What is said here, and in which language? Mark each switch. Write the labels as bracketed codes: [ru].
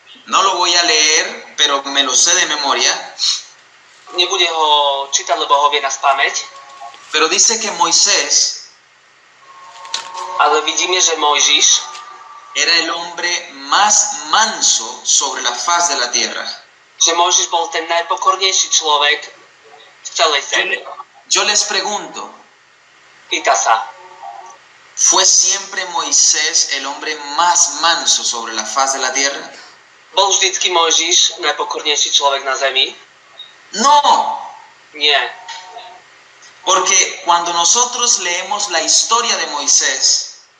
[es] No lo voy a leer, pero me lo sé de memoria. [sk] Nebude ho čítať, lebo ho vie na spameť. [es] Pero dice que Moisés, [sk] ale vidíme, že Mojžiš [es] era el hombre más manso sobre la faz de la tierra. [sk] Že Mojžiš bol ten najpokornejší človek v celej zemi. [es] Yo les pregunto. [sk] Pýta sa. [es] ¿Fue siempre Moisés el hombre más manso sobre la faz de la tierra? [sk] Bol vždycky Mojžiš najpokornejší človek na zemi? [es] No. [sk] Nie. [es] Porque cuando nosotros leemos la historia de Moisés,